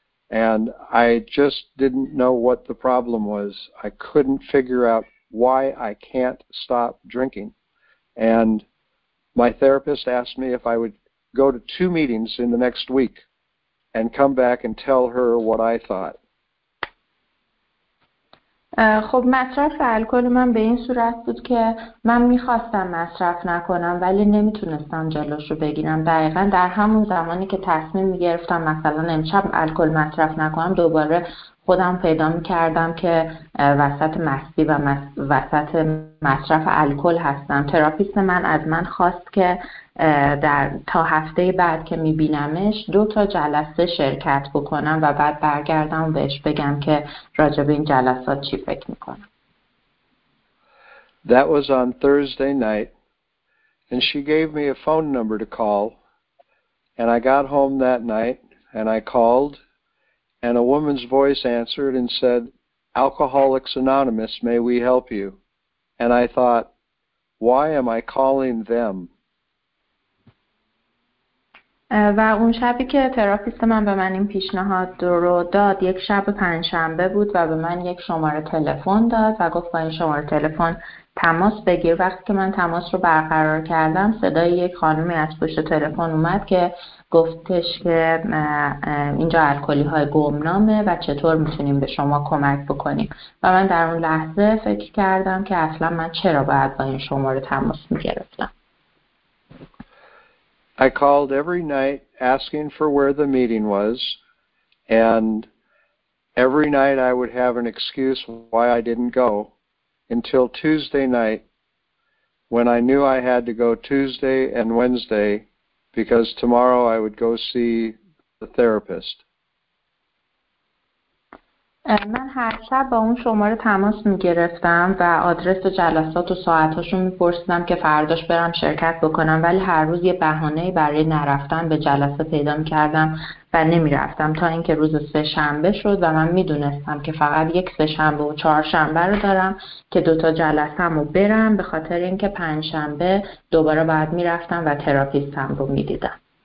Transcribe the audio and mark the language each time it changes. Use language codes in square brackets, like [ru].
[en] And I just didn't know what the problem was. I couldn't figure out why I can't stop drinking. And my therapist asked me if I would go to 2 meetings in the next week and come back and tell her what I thought. [fa] خب مصرف الکل من به این صورت بود که من میخواستم مصرف نکنم ولی نمیتونستم جلوش رو بگیرم. دقیقا در همون زمانی که تصمیم میگرفتم مثلا امشب الکل مصرف نکنم، دوباره خودم پیدا میکردم که وسط مستی و وسط مصرف الکل هستم. تراپیست من از من خواست که در تا هفته بعد که میبینمش 2 جلسه شرکت بکنم و بعد برگردم و بهش بگم که راجع به این جلسات چی فکر میکنم. [en] That was on Thursday night, and she gave me a phone number to call, and I got home that night and I called, and a woman's voice answered and said, Alcoholics Anonymous, may we help you? And I thought, why am I calling them? [fa] و اون شبی که تراپیست من به من این پیشنهاد رو داد، یک شب پنجشنبه بود و به من یک شماره تلفن داد و گفت با این شماره تلفن تماس بگیر. وقتی که من تماس رو برقرار کردم، صدای یک خانمی از پشت تلفن اومد که گفتش که اینجا الکلی های گمنامه و چطور میتونیم به شما کمک بکنیم. و من در اون لحظه فکر کردم که اصلا من چرا باید با این شماره تماس میگرفتم. [en] I called every night asking for where the meeting was, and every night I would have an excuse why I didn't go, until Tuesday night, when I knew I had to go Tuesday and Wednesday, because tomorrow I would go see the therapist. [fa] من هر شب با اون شماره تماس میگرفتم و آدرس جلسات و ساعتاشو میپرسیدم که فرداش برم شرکت بکنم، ولی هر روز یه بهانه‌ای برای نرفتن به جلسه پیدا میکردم و نمیرفتم، تا اینکه روز سه شنبه شد و من میدونستم که فقط یک سه شنبه و چهار شنبه رو دارم که دوتا جلسه‌مو برم، به خاطر اینکه پنج شنبه دوباره بعد میرفتم و تراپیستم رو میدیدم.